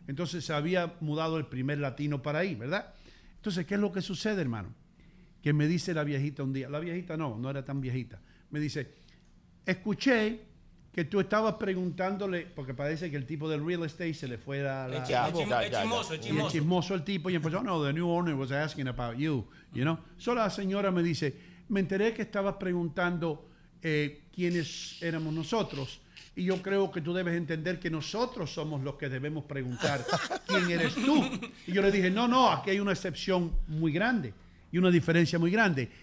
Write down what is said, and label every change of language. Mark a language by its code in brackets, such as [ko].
[es] Entonces se había mudado el primer latino para ahí, ¿verdad? Entonces, ¿qué es lo que sucede, hermano? Que me dice la viejita un día, la viejita no era tan viejita, me dice, escuché que tú estabas preguntándole, porque parece que el tipo del real estate se le fue a la... Es chismoso el tipo. Y empezó, no, [en] the new owner was asking about you, you know. [es] So la señora me dice, me enteré que estabas preguntando quiénes éramos nosotros. Y yo creo que tú debes entender que nosotros somos los que debemos preguntar quién eres tú. Y yo le dije, no, aquí hay una excepción muy grande y una diferencia muy grande.